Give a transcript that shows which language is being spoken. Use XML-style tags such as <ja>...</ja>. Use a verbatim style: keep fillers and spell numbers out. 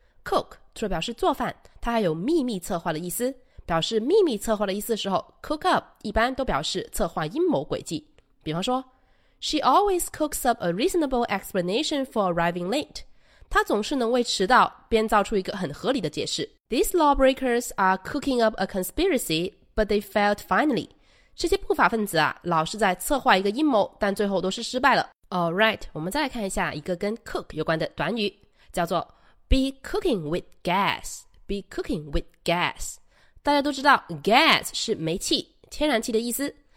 <zh>Cook 除了表示做饭，它还有秘密策划的意思。表示秘密策划的意思的时候， Cook up 一般都表示策划阴谋诡计。比方说</zh> <en>She always cooks up a reasonable explanation for arriving late.</en> <zh>他总是能为迟到编造出一个很合理的解释。</zh> <en>These lawbreakers are cooking up a conspiracy, but they failed finally.</en> <zh>这些不法分子啊，老是在策划一个阴谋，但最后都是失败了。</zh> <en>All right,</en> <zh>我们再来看一下一个跟 cook 有关的短语，叫做</zh> <en>be cooking with gas. Be cooking with gas.</en> <zh>大家都知道 gas 是煤气、天然气的意思。</zh>